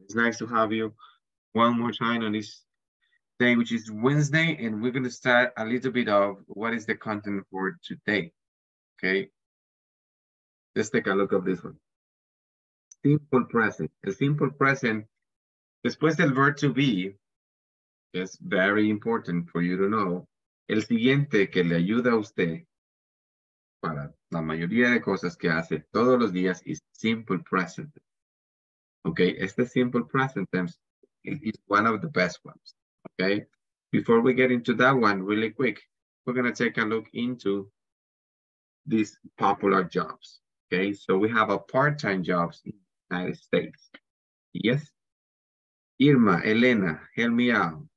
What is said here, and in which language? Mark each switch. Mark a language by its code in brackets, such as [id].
[en] It's nice to have you one more time on this day, which is Wednesday, and we're going to start a little bit of what is the content for today, okay? Let's take a look at this one. Simple present. The simple present, [es] después del [en] verb to be, it's very important for you to know. [es] El siguiente que le ayuda a usted para la mayoría de cosas que hace todos los días [en] is simple present. Okay, [es] este [en] simple present tense is one of the best ones. Okay, before we get into that one really quick, we're going to take a look into these popular jobs. Okay, so we have a part-time jobs in the United States. Yes, Irma, Elena, help me out.